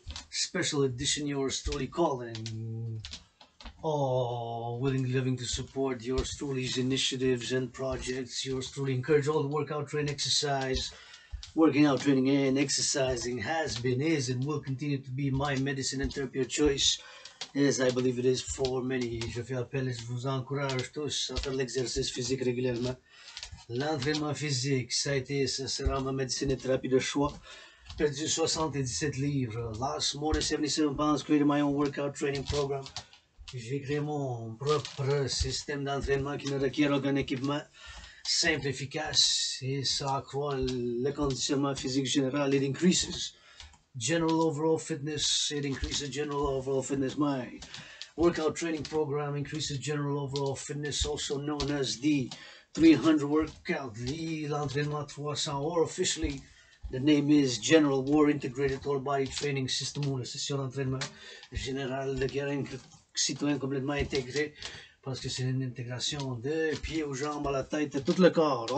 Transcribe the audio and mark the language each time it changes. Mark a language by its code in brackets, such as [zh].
[en] Special edition, yours truly calling. Oh, willingly living to support yours truly's initiatives and projects. Yours truly encourage all the workout, train, exercise. Working out, training, and exercising has been, is, and will continue to be my medicine and therapy of choice. Yes, I believe it is for many. [fr] Je fais appel et je vous encourage tous à faire l'exercice physique régulièrement. L'entraînement physique, ça a été, ça sera ma médecine et thérapie de choix. Perdu 77 livres. [en] Last more than 77 pounds, created my own workout training program. [fr] J'ai créé mon propre système d'entraînement qui ne requiert aucun équipement, simple, efficace, et ça accroît le conditionnement physique général. [en] It increases general overall fitness. It increases general overall fitness. My workout training program increases general overall fitness, also known as the 300 workout, the l'entraînement 300, or officially the name is General War Integrated Total Body Training System, [fr] ou la session d'entraînement général de guerre citoyen complètement intégré, parce que c'est une intégration de pieds aux jambes, à la tête, à tout le corps.